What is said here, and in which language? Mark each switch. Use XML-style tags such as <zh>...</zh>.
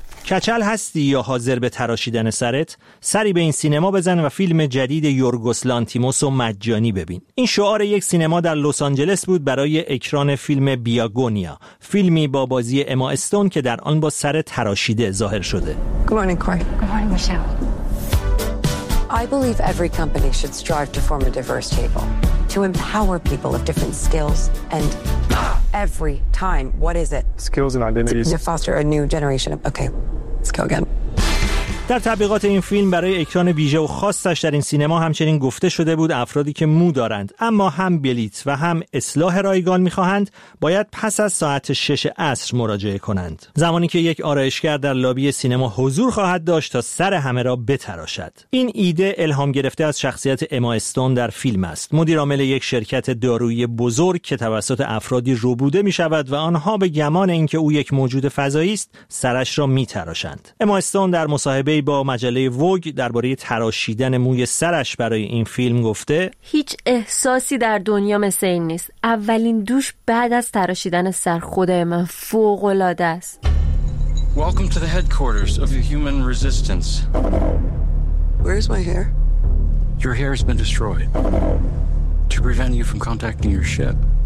<fa>کچل هستی یا حاضر به تراشیدن سرت؟ سری به این سینما بزن و فیلم جدید یورگوس لانتیموس رو مجانی ببین. این شعار یک سینما در لس آنجلس بود برای اکران فیلم بیاگونیا، فیلمی با بازی اما استون که در آن با سر تراشیده ظاهر شده.</fa> <en>Good morning, Corey. Good morning, Michelle. I believe every company should strive to form a diverse table to empower people of different skills and every time. What is it? Skills and identities. To foster a new generation of... Okay, let's go again.</en> <fa>در تبلیغات این فیلم برای اکران ویژه و خاصش در این سینما همچنین گفته شده بود افرادی که مو دارند اما هم بلیت و هم اصلاح رایگان می‌خواهند باید پس از ساعت 6 عصر مراجعه کنند، زمانی که یک آرایشگر در لابی سینما حضور خواهد داشت تا سر همه را بتراشد. این ایده الهام گرفته از شخصیت اما استون در فیلم است، مدیر عامل یک شرکت دارویی بزرگ که توسط افرادی روبوده می‌شود و آنها به گمان اینکه او یک موجود فضایی است سرش را می‌تراشند. اما استون در مصاحبه با مجله ووگ درباره تراشیدن موی سرش برای این فیلم گفته: هیچ احساسی در دنیا مثل این نیست. اولین دوش بعد از تراشیدن سر، خدای من، فوق‌العاده است.</fa> <en>Welcome to the headquarters of the human resistance. Where is my hair? Your hair has been destroyed to prevent you from contacting your ship.</en>